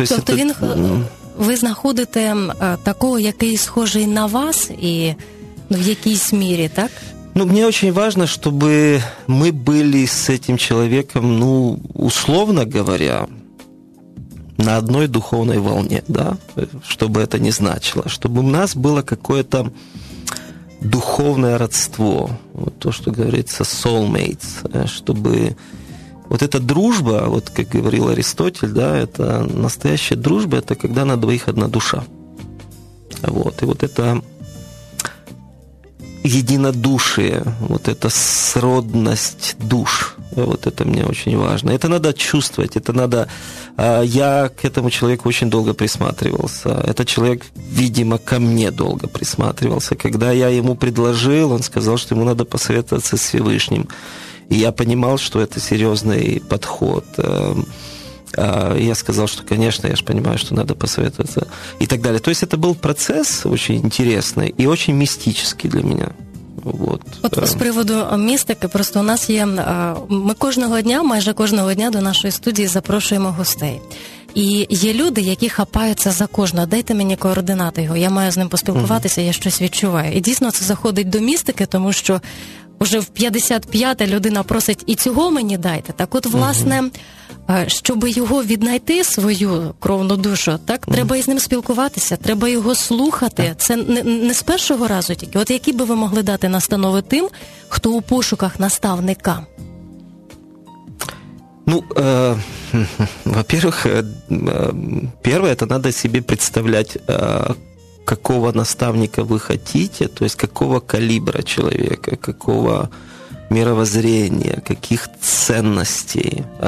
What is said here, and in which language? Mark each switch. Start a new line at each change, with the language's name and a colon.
Russian: То есть
Ukrainian: тобто він, ви знаходите такого, який схожий на вас і в якійсь мірі, так?
Russian: Ну, мне очень важно, чтобы мы были с этим человеком, ну, условно говоря, на одной духовной волне, да? Чтобы это не значило. Чтобы у нас было какое-то духовное родство, вот то, что говорится soulmates, чтобы Вот эта дружба, вот как говорил Аристотель, да, это настоящая дружба, это когда на двоих одна душа. Вот, и вот это единодушие, вот эта сродность душ, вот это мне очень важно. Это надо чувствовать, это надо... Я к этому человеку очень долго присматривался. Этот человек, видимо, ко мне долго присматривался. Когда я ему предложил, он сказал, что ему надо посоветоваться с Всевышним. И я понимал, что это серьезный подход. Я сказал, что, конечно, я же понимаю, что надо посоветоваться и так далее. То есть это был процесс очень интересный и очень мистический для меня. Вот.
Ukrainian: От з приводу містики, просто у нас є, ми кожного дня, майже кожного дня до нашої студії запрошуємо гостей. І є люди, які хапаються за кожного. Дайте мені координати його, я маю з ним поспілкуватися, я щось відчуваю. І дійсно це заходить до містики, тому що уже в 55-те людина просить, і цього мені дайте. Так от, власне, щоб його віднайти, свою кровну душу, так, треба із ним спілкуватися, треба його слухати. Це не з першого разу тільки. От які би ви могли дати настанови тим, хто у пошуках наставника?
Russian: Ну, во-первых,
Ukrainian: перше, це треба собі представляти,
Russian: какого наставника вы хотите, то есть какого калибра человека, какого мировоззрения, каких ценностей.